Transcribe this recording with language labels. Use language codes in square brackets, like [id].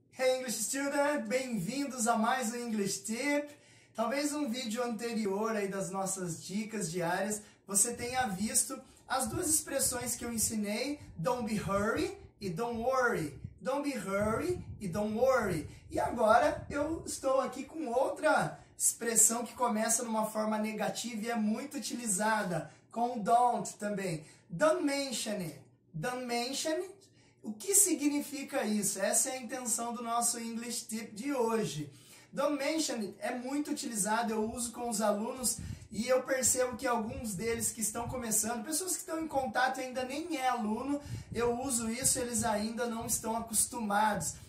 [pt] Hey English Student, bem-vindos a mais um English Tip. Talvez um vídeo anterior aí das nossas dicas diárias, você tenha visto as duas expressões que eu ensinei, [en] don't be hurry [pt] e [en] don't worry. Don't be hurry e don't worry. [pt] E agora eu estou aqui com outra expressão que começa numa forma negativa e é muito utilizada, com don't também. [en] Don't mention it. Don't mention it. [pt] O que significa isso? Essa é a intenção do nosso English Tip de hoje. [en] Don't mention it [pt] é muito utilizado, eu uso com os alunos e eu percebo que alguns deles que estão começando, pessoas que estão em contato e ainda nem é aluno, eu uso isso, eles ainda não estão acostumados.